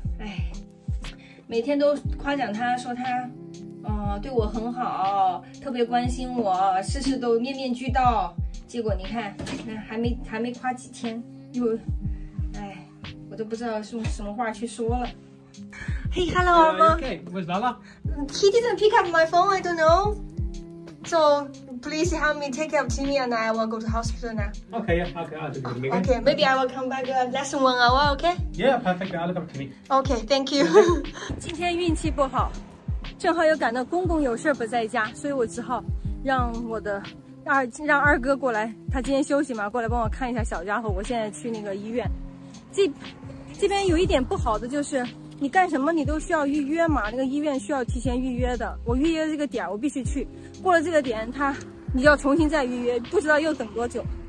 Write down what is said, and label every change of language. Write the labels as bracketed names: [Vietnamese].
[Chinese] 哎，每天都夸奖他说他对我很好，特别关心我，事事都面面俱到，结果你看那还没夸几天又我都不知道用什么话去说了。 [English] Hey, hello, Mama. Okay, what's Mama? He didn't pick up my phone. I don't know. So please help me take care of Timmy, and I will go to hospital now. Okay, maybe I will come back less than 1 hour. Okay. Yeah, perfect. I'll come to me. Okay, thank you. [Chinese] 今天运气不好，正好又赶到公公有事不在家，所以我只好让我的二哥过来。他今天休息嘛，过来帮我看一下小家伙。我现在去那个医院。这边有一点不好的就是。你干什么你都需要预约嘛，那个医院需要提前预约的，我预约这个点我必须去，过了这个点他你要重新再预约，不知道又等多久。